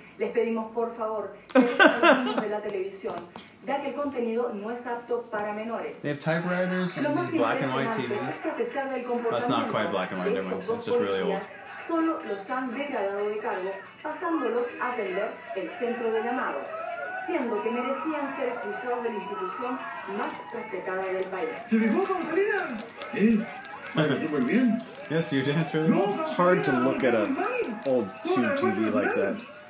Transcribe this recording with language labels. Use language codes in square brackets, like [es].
[es] Les pedimos por favor de la televisión, ya que el contenido no es apto para menores. [en] They have typewriters and these black and white TVs. That's not quite black and white, never mind. It's just really old. [es] Solo los han degradado de cargo, pasándolos a atender el centro de llamados, siendo que merecían ser expulsados de la institución más respetada del país. ¿Se fijó, Consalina? Bien. [en] Yes, you dance really well. It's hard to look at an old tube TV like that.